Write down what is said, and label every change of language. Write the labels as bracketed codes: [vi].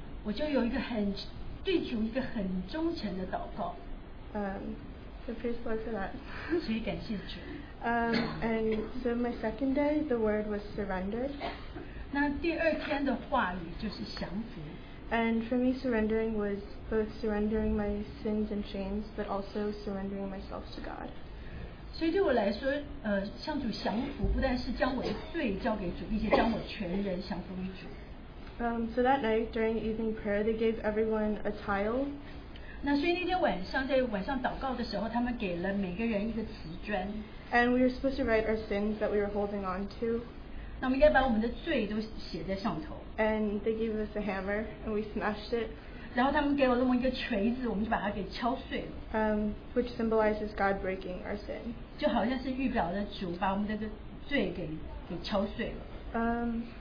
[zh] 我就有一个很对主一个很忠诚的祷告。 [en] So praise the Lord for that. [zh] 所以感谢主。 [en] And so my second day, the word was surrender. [zh] 那第二天的话语就是降服。 [en] And for me, surrendering was both surrendering my sins and shames, but also surrendering myself to God. [zh] 所以对我来说，向主降服不但是将我的罪交给主，并且将我全人降服于主。 [en] So that night during evening prayer, they gave everyone a tile. [zh] 那所以那天晚上在晚上祷告的时候，他们给了每个人一个瓷砖。 [en] And we were supposed to write our sins that we were holding on to. [zh] 那我们应该把我们的罪都写在上头。 [en] And they gave us a hammer, and we smashed it. [zh] 然后他们给我那么一个锤子，我们就把它给敲碎了。 [en] Which symbolizes God breaking our sin. [zh] 就好像是预表的主把我们的罪给敲碎了。